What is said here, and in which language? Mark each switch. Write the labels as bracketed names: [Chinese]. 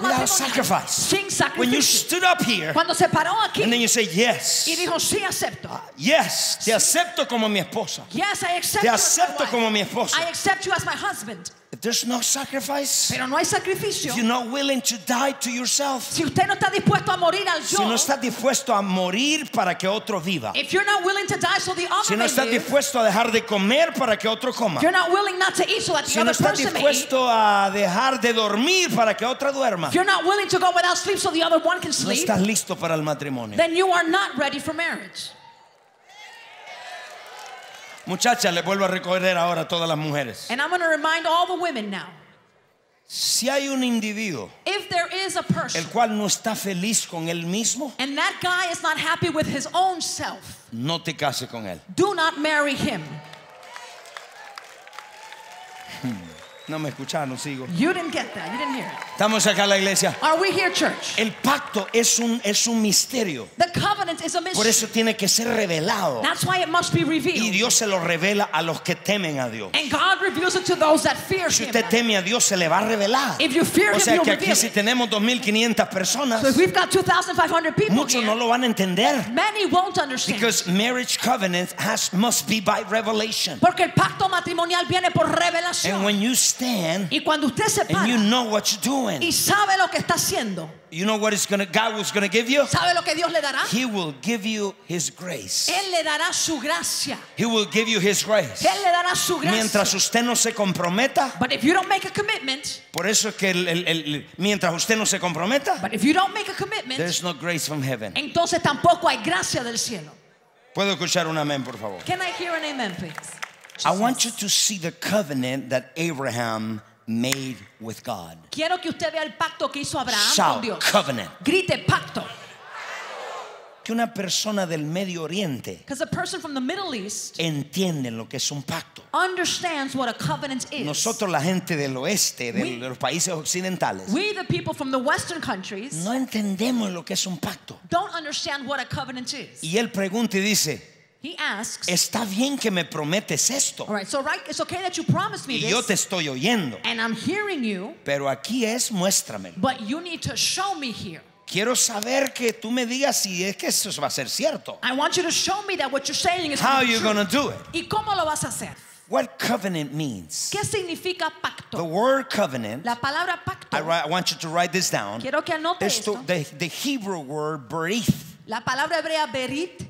[English] without sacrifice. [Spanish] Sin sacrificio. [English] When you stood up here, [Spanish] cuando se paró aquí, [English] and then you say yes, [Spanish] y dijo, sí, acepto. Yes, te acepto como mi esposa. [English] Yes, I accept [Spanish] te acepto [English] you as my wife. [Spanish] Como mi esposa. [English] I accept you as my husband. If there's no sacrifice, [Spanish] pero no hay sacrificio. [English] If you're not willing to die to yourself, [Spanish] si usted no está dispuesto a morir al yo, si no está dispuesto a morir para que otro viva, [English] if you're not willing to die so the other [Spanish] si no está [English] live, [Spanish] dispuesto a dejar de comer para que otro coma, [English] if you're not willing not to eat so that the si other person may, [Spanish] si no está dispuesto [English] may, [Spanish] a dejar de dormir para que otra duerma, [English] if you're not willing to go without sleep so the other one can sleep, [Spanish] no estás listo para el matrimonio, [English] then you are not ready for marriage. [Spanish] Muchachas, les vuelvo a recordar ahora a todas las mujeres. [English] And I'm going to remind all the women now. [Spanish] Si hay un individuo, [English] if there is a person, [Spanish] el cual no está feliz con él mismo, [English] and that guy is not happy with his own self, [Spanish] no te cases con él. [English] Do not marry him. [Spanish] No me escucharon, sigo. [English] You didn't get that. You didn't hear. [Spanish] Estamos acá en la iglesia. [English] Are we here, church? [Spanish] El pacto es un misterio. [English] The covenant is a mystery. [Spanish] Por eso tiene que ser revelado. [English] That's why it must be revealed. [Spanish] Y Dios se lo revela a los que temen a Dios. [English] And God reveals it to those that fear [Spanish] si Si usted teme a Dios, se le va a revelar. [English] If you fear [Spanish] o sea, [English] him, [Spanish] que aquí si tenemos 2,500 personas, [English] so if we've got 2,500 people, [Spanish] muchos [English] here, [Spanish] no lo van a entender. [English] Many won't understand. Because marriage covenant must be by revelation. [Spanish] Porque el pacto matrimonial viene por revelación. [English] And when you stand, [Spanish] y cuando usted se para, [English] and you know what you're doing, [Spanish] y sabe lo que está haciendo, [English] you know what God was going to give you, [Spanish] sabe lo que Dios le dará, [English] he will give you his grace. [Spanish] Él le dará su gracia. [English] He will give you his grace. [Spanish] Él le dará su gracia. Mientras usted no se comprometa, [English] but if you don't make a commitment, [Spanish] por eso es que el mientras usted no se comprometa, [English] but if you don't make a commitment, there's no grace from heaven. [Spanish] Entonces tampoco hay gracia del cielo. ¿Puedo escuchar un amén, por favor? [English] Can I hear an amen, please? I want you to see the covenant that Abraham made with God. [Spanish] Quiero que usted vea el pacto que hizo Abraham [English] shout, [Spanish] con Dios. [English] Covenant. [Spanish] Grite pacto. Que una persona del Medio Oriente entiende lo que es un pacto. [English] Understands what a covenant is. [Spanish] Nosotros la gente del oeste, de los países occidentales, [English] we the people from the western countries, [Spanish] no entendemos lo que es un pacto. [English] Don't understand what a covenant is. [Spanish] Y él pregunta y dice, [English] he asks, [Spanish] está bien que me prometes esto. [English] All right, so right, it's okay that you promise me [Spanish] y [English] this. [Spanish] Yo te estoy oyendo. [English] And I'm hearing you. [Spanish] Pero aquí es, muéstramelo. [English] But you need to show me here. [Spanish] Quiero saber que tú me digas si es que eso va a ser cierto. [English] I want you to show me that what you're saying is how you're going to do it. [Spanish] ¿Y cómo lo vas a hacer? [English] What covenant means? [Spanish] ¿Qué significa pacto? [English] The word covenant. [Spanish] La palabra pacto. [English] I want you to write this down. [Spanish] Quiero que anote [English] esto. The Hebrew word berith. [Spanish] La palabra hebrea berit.